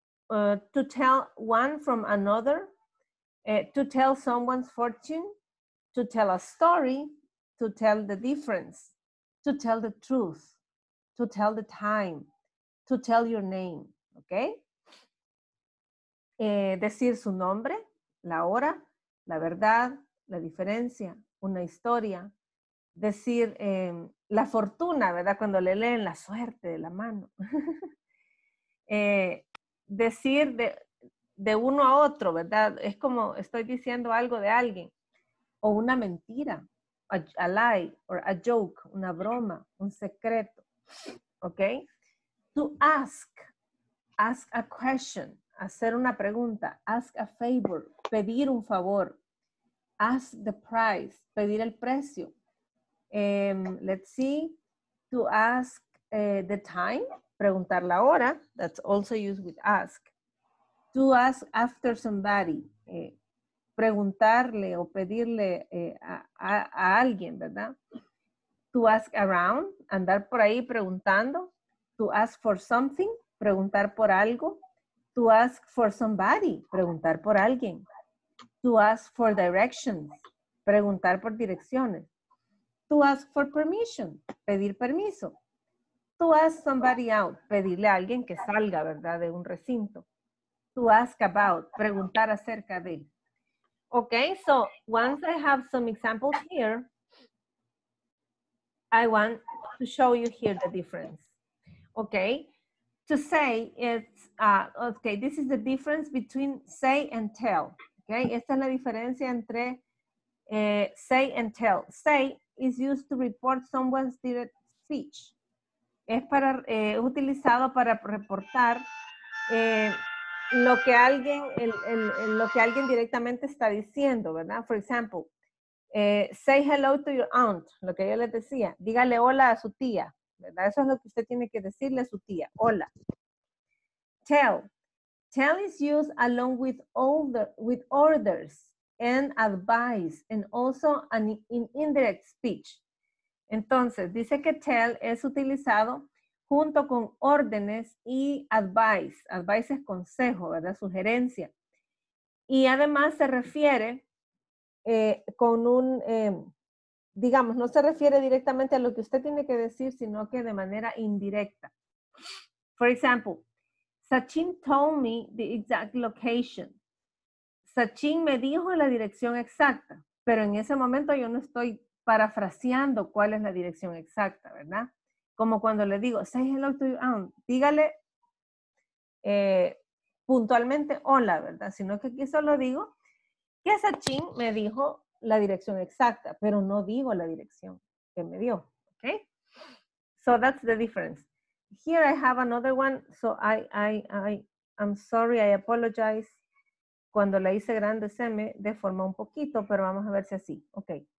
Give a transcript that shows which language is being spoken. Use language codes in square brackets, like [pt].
[en] To tell one from another, to tell someone's fortune, to tell a story, to tell the difference, to tell the truth, to tell the time, to tell your name, okay? [es] Decir su nombre, la hora, la verdad, la diferencia, una historia. Decir la fortuna, ¿verdad? Cuando le leen la suerte de la mano. decir de uno a otro, ¿verdad? Es como estoy diciendo algo de alguien. O una mentira, [en] a lie, or a joke, [es] una broma, un secreto. Okay? [en] To ask a question, [es] hacer una pregunta, [en] ask a favor, [es] pedir un favor, [en] ask the price, [es] pedir el precio. [en] Let's see, to ask the time, [es] preguntar la hora, [en] that's also used with ask. To ask after somebody, [es] preguntarle o pedirle a alguien, ¿verdad? [en] To ask around, [es] andar por ahí preguntando. [en] To ask for something, [es] preguntar por algo. [en] To ask for somebody, [es] preguntar por alguien. [en] To ask for directions, [es] preguntar por direcciones. [en] To ask for permission, [es] pedir permiso. [en] To ask somebody out, [es] pedirle a alguien que salga, ¿verdad? De un recinto. [en] To ask about, [es] preguntar acerca de. [en] Okay, so once I have some examples here, I want to show you here the difference. Okay, to say it's, okay, this is the difference between say and tell. [es] Okay, esta es la diferencia entre say and tell. [en] Say is used to report someone's direct speech. [es] Es para, utilizado para reportar lo que alguien directamente está diciendo, ¿verdad? [en] For example, say hello to your aunt, [es] lo que yo les decía. Dígale hola a su tía, ¿verdad? Eso es lo que usted tiene que decirle a su tía, hola. [en] Tell is used along with with orders and advice and also in indirect speech. [es] Entonces, dice que tell es utilizado junto con órdenes y advice. Advice es consejo, ¿verdad? Sugerencia. Y además se refiere con un, digamos, no se refiere directamente a lo que usted tiene que decir, sino que de manera indirecta. [en] For example, Sachin told me the exact location. [es] Sachin me dijo la dirección exacta, pero en ese momento yo no estoy parafraseando cuál es la dirección exacta, ¿verdad? Como cuando le digo, [en] say hello to your aunt, [es] dígale puntualmente hola, ¿verdad? Sino que aquí solo digo que Sachin me dijo la dirección exacta, pero no digo la dirección que me dio, ¿ok? [en] So that's the difference. Here I have another one, so I'm sorry, I apologize. [es] Cuando la hice grande se me deformó un poquito, pero vamos a ver si así, ¿ok?